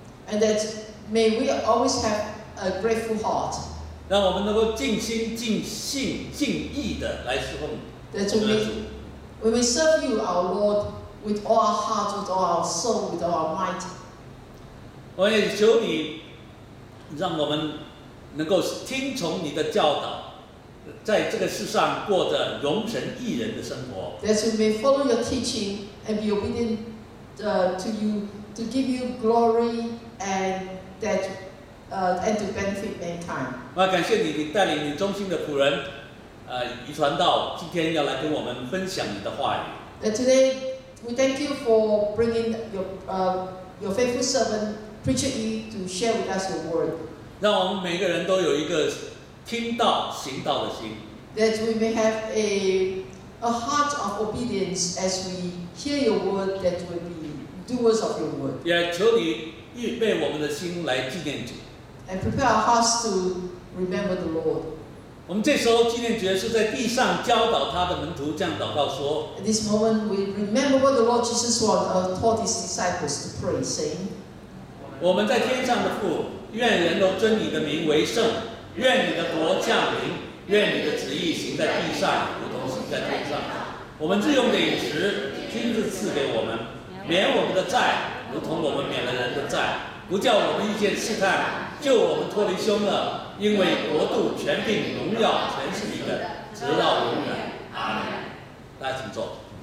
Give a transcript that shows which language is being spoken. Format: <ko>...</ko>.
<en>And that may we always have a grateful heart.</en> <zh>让我们能够尽心、尽性、尽意的来侍奉。</zh> <en>That we may serve you, our Lord, with all our heart, with all our soul, with all our might.</en> <zh>我也求你，让我们能够听从你的教导，在这个世上过着容神一人的生活。</zh> <en>That we may follow your teaching and be obedient, to you, to give you glory. And to benefit mankind.</en> <zh>我要感谢你，你带领你忠心的仆人，遗传到今天要来跟我们分享你的话语。</zh> <en>And today we thank you for bringing your faithful servant preacher E to share with us your word.</en> <zh>让我们每个人都有一个听到行道的心。</zh> <en>That we may have a heart of obedience as we hear your word. That we be doers of your word.</en> <zh>也求你。预备我们的心来纪念主。</zh> <en>And prepare our hearts to remember the Lord.</en> <zh>我们这时候纪念主是在地上教导他的门徒这样祷告说。</zh> <en>At this moment, we remember what the Lord Jesus taught his disciples to pray, saying,</en> <zh>我们在天上的父，愿人都尊你的名为圣，愿你的国降临，愿你的旨意行在地上，如同行在天上。我们日用的饮食，今日赐给我们，免我们的债，如同我们免了人的债，不叫我们遇见试探，救我们脱离凶恶，因为国度、权柄、荣耀，全是你的，直到永远。阿门。大家请坐。</zh>